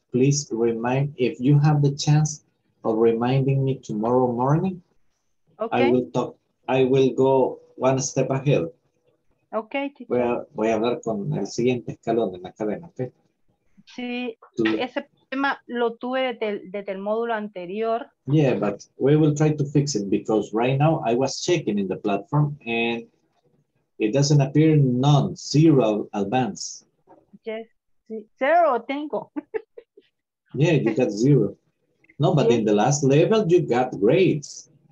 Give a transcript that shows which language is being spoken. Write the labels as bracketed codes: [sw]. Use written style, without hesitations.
[en] Please remind, if you have the chance of reminding me tomorrow morning, okay. I will go one step ahead. Okay. [es] Voy a hablar con el siguiente escalón de la cadena, ¿ok? Sí, ese tema lo tuve desde el módulo anterior. [en] Yeah, but we will try to fix it because right now I was checking in the platform and it doesn't appear none, zero advance. [es] Yes, sí. Zero tengo. [en] Yeah, you got zero. No, but yes. In the last level you got grades.